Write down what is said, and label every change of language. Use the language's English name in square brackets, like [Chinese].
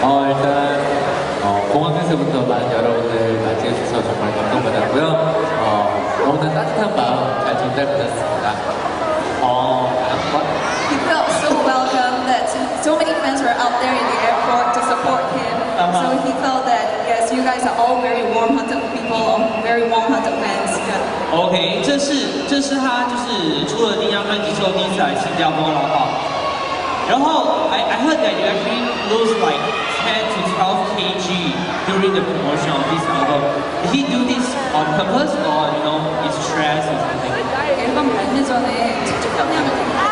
[Korean] 일단 공항에서부터 여러분들 맞이해 주셔서 정말 감동받았고요 너무나 따뜻한 마음 잘 전달받았습니다 [English] He felt so welcome that so many fans were out there in the airport to support him So he felt that yes, you guys are all very warm-hearted people Very warm-hearted fans OK, [Chinese] 这是他就是出了第一张专辑之后第一次来新加坡了哈然后 [English] I heard that you actually lose like 10 to 12 kg during the promotion of this album. Did he do this on purpose or, you know, it's stress or something? [Korean] 앨범 발매 전에 직접 평양을